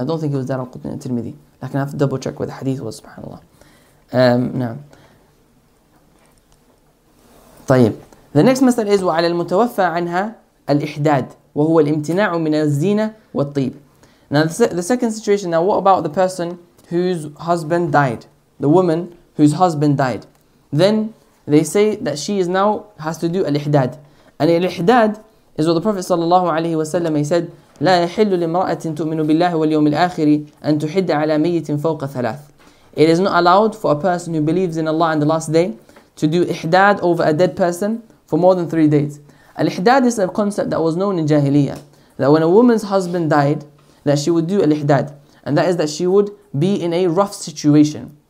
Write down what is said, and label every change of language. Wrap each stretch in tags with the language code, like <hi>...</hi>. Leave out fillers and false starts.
<en>I don't think it was Dar al-Qutni and Tirmidhi. Like, I have to double check what the hadith was, subhanAllah.</en> <ar>طيب.</ar> <en>The next</en> <ar>مسألة is وعلى المتوفى عنها الإحداد وهو الامتناع من الزينة والطيب.</ar> <en>Now the second situation. Now what about the person whose husband died? The woman whose husband died. Then they say that she is now has to do الإحداد. And</en> <ar>الإحداد</ar> <en>is what the Prophet</en> <ar>صلى الله عليه وسلم</ar> <en>he said</en> <ar>لا يحل لامرأة تؤمن بالله واليوم الآخر أن تحد على ميت فوق ثلاث.</ar> <en>It is not allowed for a person who believes in Allah and the last day to do ihdad over a dead person for more than 3 days. Al-ihdad is a concept that was known in Jahiliyyah, that when a woman's husband died, that she would do al-ihdad, and that is that she would be in a rough situation.</en>